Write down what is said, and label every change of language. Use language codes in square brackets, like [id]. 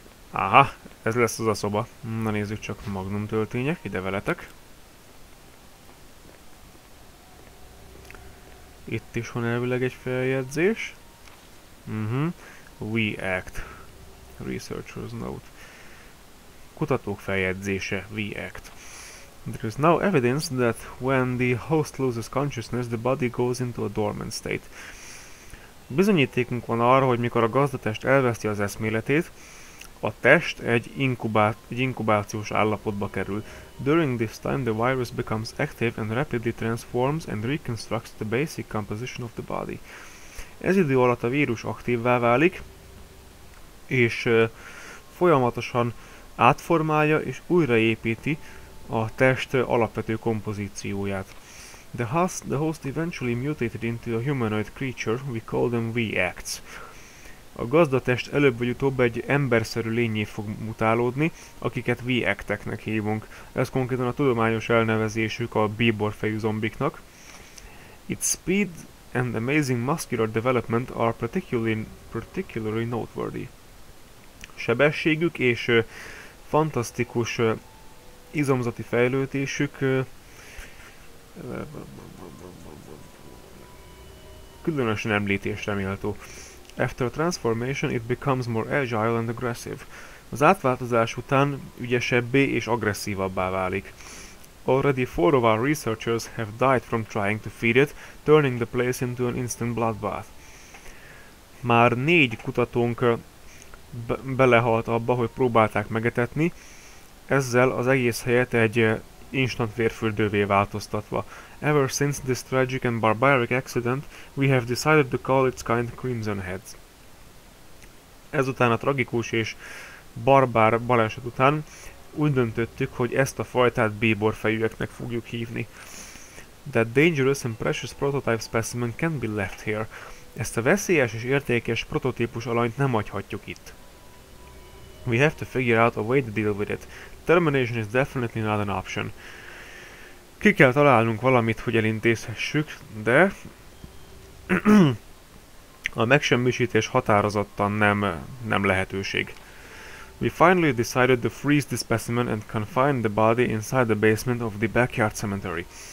[hu] Aha, ez lesz az a szoba. Na nézzük csak, magnum töltények, ide veletek. Itt is van elvileg egy feljegyzés. We Act. [en] Researcher's Note. [hu] Kutatók feljegyzése, We Act. [en] There is now evidence that when the host loses consciousness, the body goes into a dormant state. [hu] Bizonyítékunk van arra, hogy mikor a gazdatest elveszti az eszméletét, A test egy inkubációs állapotba kerül. [en] During this time, the virus becomes active and rapidly transforms and reconstructs the basic composition of the body. [hu] Ez idő alatt a vírus aktívvá válik, és folyamatosan átformálja és újraépíti a test alapvető kompozícióját. [en] The host eventually mutated into a humanoid creature, we call them V-acts. [hu] A gazdatest előbb vagy utóbb egy emberszerű lényé fog mutálódni, akiket V-acteknek hívunk. Ez konkrétan a tudományos elnevezésük a bíborfejű zombiknak. [en] Its speed and amazing muscular development are particularly noteworthy. [hu] Sebességük és fantasztikus izomzati fejlődésük különösen említésre méltó. [en] After transformation, it becomes more agile and aggressive. [hu] Az átváltozás után ügyesebbé és agresszívabbá válik. [en] Already four of our researchers have died from trying to feed it, turning the place into an instant bloodbath. [hu] Már négy kutatónk belehalt abba, hogy próbálták megetetni, ezzel az egész helyet egy instant vérfürdővé változtatva. [en] Ever since this tragic and barbaric accident, we have decided to call its kind Crimson Heads. [hu] Ezután a tragikus és barbár baleset után úgy döntöttük, hogy ezt a fajtát bíborfejűeknek fogjuk hívni. [en] That dangerous and precious prototype specimen can't be left here. [hu] Ezt a veszélyes és értékes prototípus alanyt nem hagyhatjuk itt. [en] We have to figure out a way to deal with it. Termination is definitely not an option. [hu] Ki kell találnunk valamit, hogy elintézhessük, de a megsemmisítés határozottan nem lehetőség. [en] We finally decided to freeze the specimen and confine the body inside the basement of the backyard cemetery.